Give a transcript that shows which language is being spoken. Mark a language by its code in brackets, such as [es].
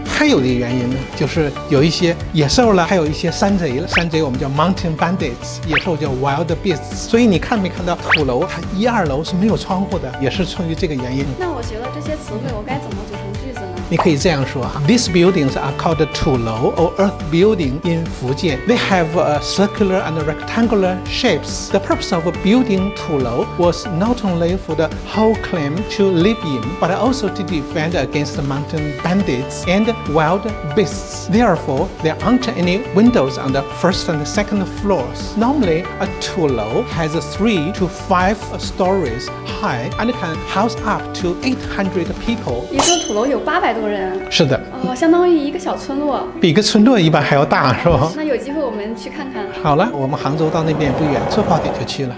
[zh] 还有的原因呢，就是有一些野兽了，还有一些山贼了。山贼我们叫 [en] mountain bandits， [zh] 野兽叫 [en] wild beasts。 [zh] 所以你看没看到土楼，它一二楼是没有窗户的，也是出于这个原因。那我觉得这些词汇我该怎么组成句子呢？你可以这样说啊， [en] These buildings are called 土楼 or earth building in 福建。 They have a circular and a rectangular shapes. The purpose of building 土楼 was not only for the whole clan to live in, but also to defend against the mountain bandits and wild beasts. Therefore, there aren't any windows on the first and second floors. Normally, a 土楼 has 3 to 5 stories high and can house up to 800 people. [zh] 你说土楼有800多人？是的，相当于一个小村落，比个村落一般还要大，是吧？那有机会我们去看看。好了，我们杭州到那边不远，坐高铁就去了。